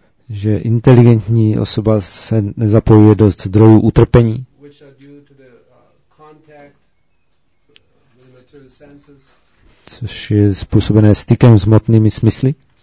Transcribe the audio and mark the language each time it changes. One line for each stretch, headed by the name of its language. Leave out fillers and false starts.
Czech: Že inteligentní osoba se nezapojuje do zdrojů utrpení,
English: which are due to the, contact with the material senses,
Czech: což je způsobené stykem s hmotnými smysly.